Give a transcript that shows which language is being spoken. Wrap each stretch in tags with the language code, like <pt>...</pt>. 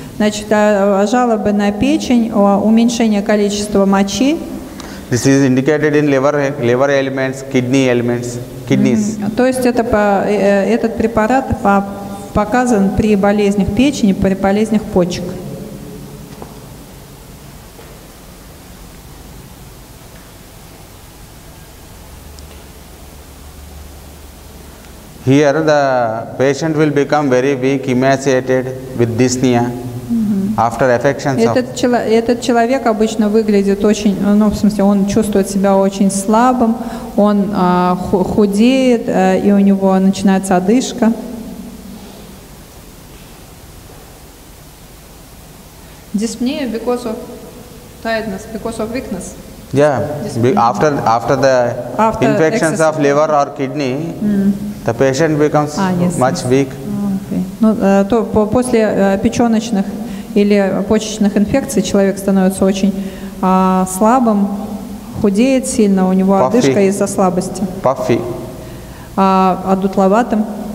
<ru>Значит, жалобы на печень, уменьшение количества мочи.</ru> <en>This is indicated in liver ailments, kidney ailments, kidneys.</en> <ru>То есть это этот препарат показан при болезнях печени, при болезнях почек.</ru> <en>Here the patient will become very weak, emaciated with dyspnea. After affections.</en> <ru>Этот человек обычно выглядит очень, ну в смысле, он чувствует себя очень слабым, он худеет, и у него начинается одышка.</ru> <en>Dyspnea because of tiredness, because of weakness. Yeah. After infections of liver or kidney, the patient becomes much weak.</en> <ru>После печёночных или почечных инфекций человек становится очень слабым, худеет сильно, у него</ru> <en>puffy.</en> <ru>Одышка из-за слабости.</ru> <en>Puffy.</en> <ru>Одутловатым.</ru>